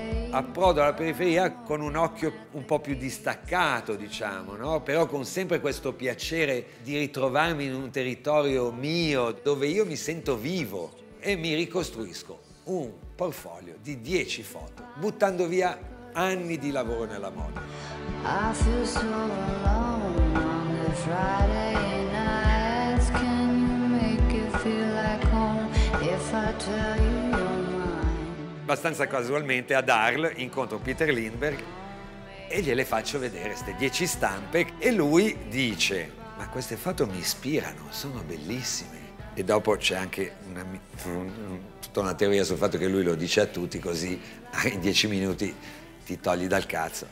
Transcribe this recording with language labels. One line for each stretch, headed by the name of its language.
Italian: Approdo alla periferia con un occhio un po' più distaccato, diciamo, no? Però con sempre questo piacere di ritrovarmi in un territorio mio dove io mi sento vivo e mi ricostruisco un portfolio di 10 foto, buttando via anni di lavoro nella moda.
English: I feel so alone on the Friday nights. Can you make it feel like home if I tell you you're mine?
Italian: Abbastanza casualmente ad Arles incontro Peter Lindbergh e gliele faccio vedere queste 10 stampe e lui dice: ma queste foto mi ispirano, sono bellissime. E dopo c'è anche una, tutta una teoria sul fatto che lui lo dice a tutti, così in 10 minuti ti togli dal cazzo.